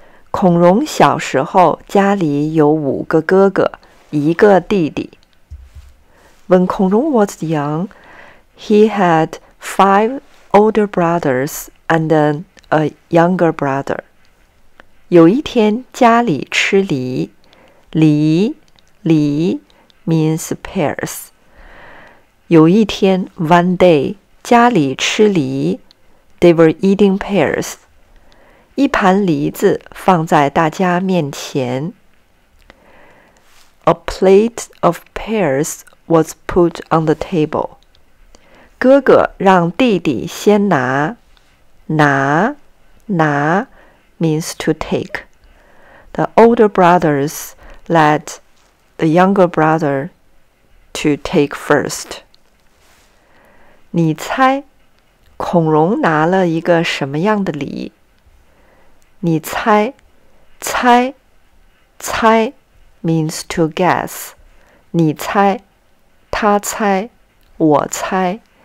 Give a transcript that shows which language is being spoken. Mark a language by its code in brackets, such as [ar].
[zh] 孔融小时候家里有五个哥哥，一个弟弟。 [en] When Kongrong was young, he had five older brothers and a younger brother. [zh] 有一天家里吃梨，梨，梨。 [en] Means pears. [zh] 有一天 [en] one day, [zh] 家里吃梨 [en] they were eating pears. [zh] 一盘梨子放在大家面前 [en] A plate of pears was put on the table. [zh] 哥哥让弟弟先拿拿拿 [en] means to take. The older brothers let the younger brother to take first. [zh] 你猜孔融拿了一个什么样的梨？你猜，猜，猜 [en] means to guess. [zh] 你猜，他猜，我猜。